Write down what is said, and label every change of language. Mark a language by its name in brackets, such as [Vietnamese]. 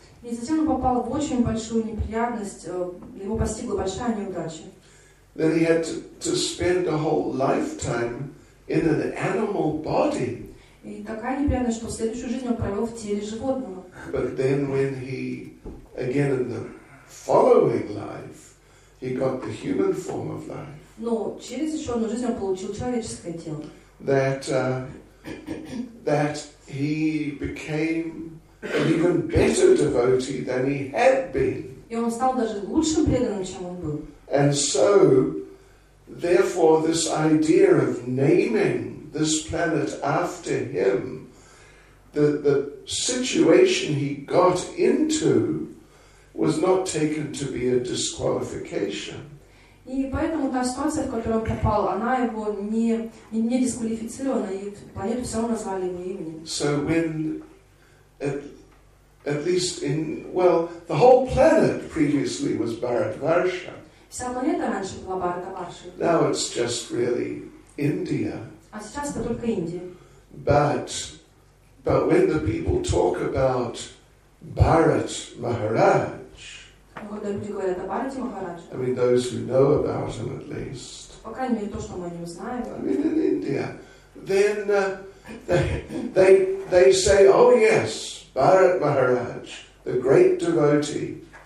[Russian] И затем он попал в очень большую неприятность, его постигла большая неудача. [English] Then he had to spend a whole lifetime in an animal body. [Russian] И такая неприятность, что следующую жизнь он провел в теле животного. [English] But then when he, again in the following life, he got the human form of life. [Russian] Но через еще одну жизнь он получил человеческое тело. [English] That he became an even better devotee than he had been. [Russian] И он стал даже лучшим преданным, чем он был. [English] And so, therefore, this idea of naming this planet after him, the situation he got into was not taken to be a disqualification. [Russian] И поэтому та ситуация, в которую он попал, она его не дисквалифицирована, и планету все равно назвали его именем. [English] So when at least in well, the whole planet previously was Bharatvarsha. [Russian] Вся планета раньше была Бхаратварша. [English] Now it's just really India. [Russian] А сейчас это только Индия. [English] But when the people talk about Bharat Maharaj, I mean those who know about him at least, I mean in India, then they say, oh yes, Bharat Maharaj, the great devotee.